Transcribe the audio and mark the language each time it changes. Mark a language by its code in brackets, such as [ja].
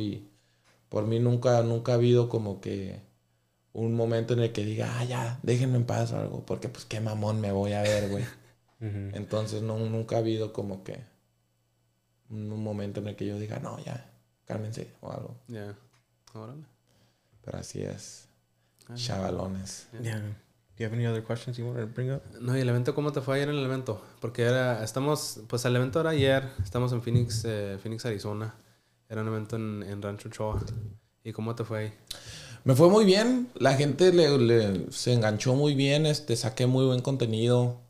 [es] Y por mí nunca ha habido como que un momento en el que diga, ah, ya, déjenme en paz o algo, porque pues qué mamón me voy a ver, güey. Entonces no, nunca ha habido como que un momento en el que yo diga, no, ya, cálmense o algo. Ya, yeah. Órale. Pero así es. Chavalones. [en] Yeah. Do you have any other questions you want to bring up? [es] No, y el evento, ¿cómo te fue ayer en el evento? Porque el evento era ayer. Estamos en Phoenix, Arizona. Era un evento en Rancho Choa. ¿Y cómo te fue ahí? Me fue muy bien. La gente le se enganchó muy bien. Saqué muy buen contenido.